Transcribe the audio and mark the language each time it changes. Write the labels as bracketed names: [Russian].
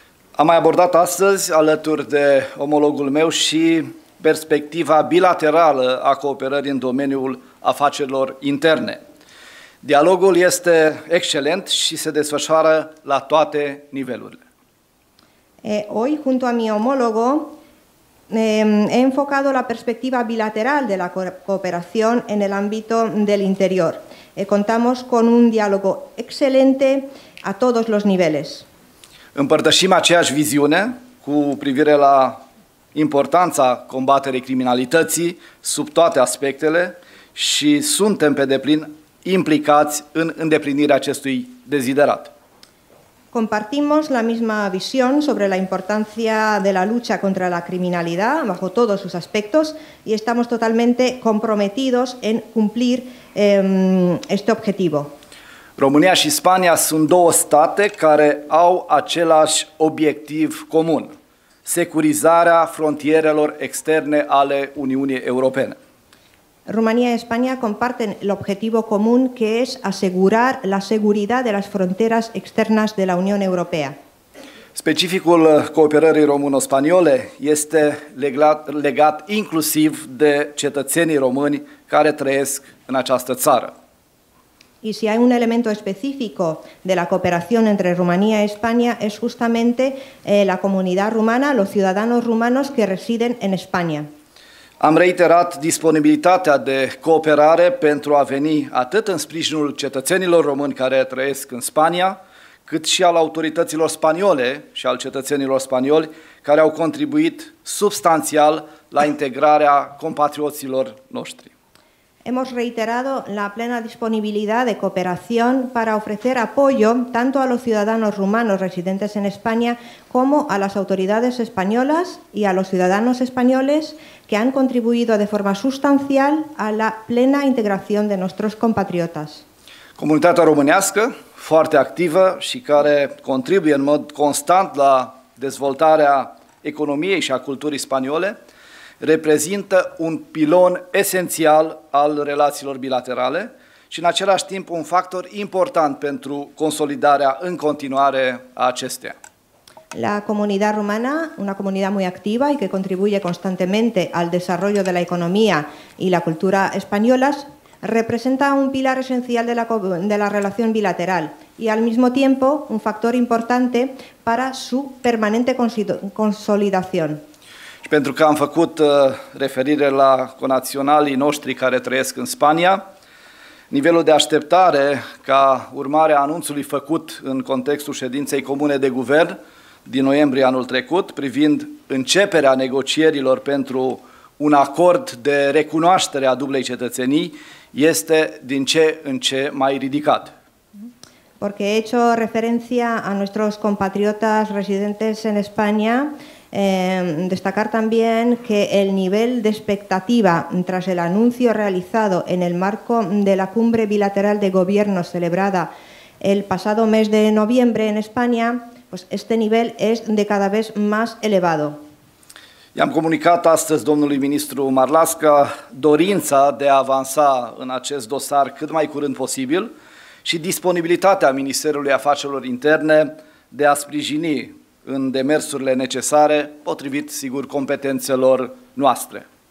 [Romanian] Am mai abordat astăzi, alături de omologul meu, și perspectiva bilaterală a cooperării în domeniul afacerilor interne. Dialogul este excelent și se desfășoară la toate nivelurile. [Spanish] Hoy, junto a mi homólogo, he enfocado la perspectiva bilateral de la cooperación en el ámbito del interior. Contamos con un diálogo excelente a todos los niveles. [Romanian] Împărtășim aceeași viziune cu privire la importanța combaterii criminalității sub toate aspectele și suntem pe deplin implicați în îndeplinirea acestui deziderat. [Spanish] Compartimos la misma visión sobre la importancia de la lucha contra la criminalidad bajo todos sus aspectos y estamos totalmente comprometidos en cumplir este objetivo. [Romanian] România și Spania sunt două state care au același obiectiv comun, securizarea frontierelor externe ale Uniunii Europene. [Spanish] România și Spania comparten el objetivo común que es asegurar la seguridad de las fronteras externas de la Unión Europea. [Romanian] Specificul cooperării româno-spaniole este legat inclusiv de cetățenii români care trăiesc în această țară. [Spanish] Y si hay un elemento específico de la cooperación entre Rumanía y España es justamente la comunidad rumana, los ciudadanos rumanos que residen en España. [Romanian] Am reiterat disponibilitatea de cooperare pentru a veni atât în sprijinul cetățenilor români care trăiesc în Spania, cât și al autorităților spaniole și al cetățenilor spanioli care au contribuit substanțial la integrarea compatrioților noștri. [Spanish] Hemos reiterado la plena disponibilidad de cooperación para ofrecer apoyo tanto a los ciudadanos rumanos residentes en España como a las autoridades españolas y a los ciudadanos españoles que han contribuido de forma sustancial a la plena integración de nuestros compatriotas. [Romanian] Comunitatea românească, foarte activă și care contribuie în mod constant la dezvoltarea economiei și a culturii spaniole, reprezintă un pilon esențial al relațiilor bilaterale și în același timp un factor important pentru consolidarea în continuare a acesteia. [Spanish] La comunidad rumana, una comunidad muy activa y que contribuye constantemente al desarrollo de la economía y la cultura españolas, representa un pilar esencial de la relación bilateral y al mismo tiempo un factor importante para su permanente consolidación. [Romanian] Și pentru că am făcut referire la conaționalii noștri care trăiesc în Spania, nivelul de așteptare ca urmare a anunțului făcut în contextul ședinței comune de guvern din noiembrie anul trecut, privind începerea negocierilor pentru un acord de recunoaștere a dublei cetățenii, este din ce în ce mai ridicat. [Spanish] Porque he hecho referencia a nuestros compatriotas residentes en España. Destacar también que el nivel de expectativa tras el anuncio realizado en el marco de la cumbre bilateral de gobierno celebrada el pasado mes de noviembre en España, pues este nivel es de cada vez más elevado. [Romanian] I-am comunicat astăzi domnului ministru Marlasca dorința de a avansa în acest dosar cât mai curând posibil și disponibilitatea Ministerului Afacerilor Interne de a sprijini în demersurile necesare, potrivit, sigur, competențelor noastre.